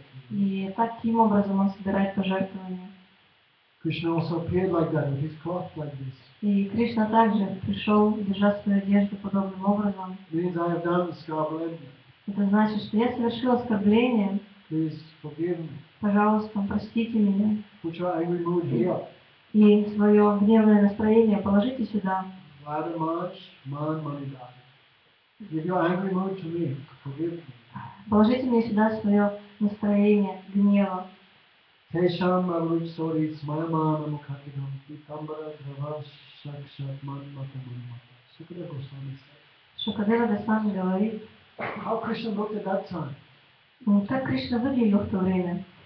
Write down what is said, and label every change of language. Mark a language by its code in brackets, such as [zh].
[ru] И таким образом он собирает пожертвования. [en] Krishna also appeared like that, with his cloth like this. [ru] И Кришна также пришел, держа свою одежду подобным образом. [en] Means I have done [ru] оскорбление. Это значит, что я совершил оскорбление. [en] Please forgive me. [ru] Пожалуйста, простите меня. [en] Put your angry mood here. [ru] И свое гневное настроение положите сюда. Vada Maharaj, Man Manidhara. [en] Give your angry mood to me. Forgive me. [ru] Положите мне сюда свое настроение гнева. [sa] Кешам Маруч Сори Смаямана Мукхатидам Питамбара Дхавашакшат Ман Матамамата. [ru] Шукадева Госвами говорит. [en] How Krishna looked at that time? [ru] Ну, как Кришна выглядел в то время?